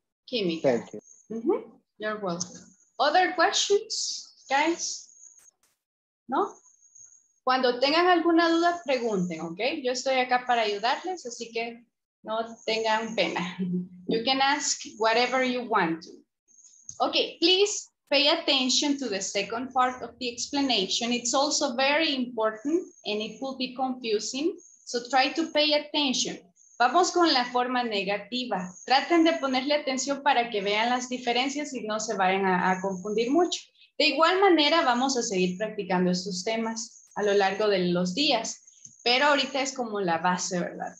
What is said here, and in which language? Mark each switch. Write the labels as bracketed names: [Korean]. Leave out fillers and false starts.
[Spanish] Química. [English] Thank you. You're welcome. Other questions, guys? ¿No? [Spanish] Cuando tengan alguna duda, pregunten, ¿ok? Yo estoy acá para ayudarles, así que no tengan pena. [English] You can ask whatever you want to. Ok, please pay attention to the second part of the explanation. It's also very important and it will be confusing. So try to pay attention. [Spanish] Vamos con la forma negativa. Traten de ponerle atención para que vean las diferencias y no se vayan a confundir mucho. De igual manera, vamos a seguir practicando estos temas a lo largo de los días, pero ahorita es como la base, ¿verdad?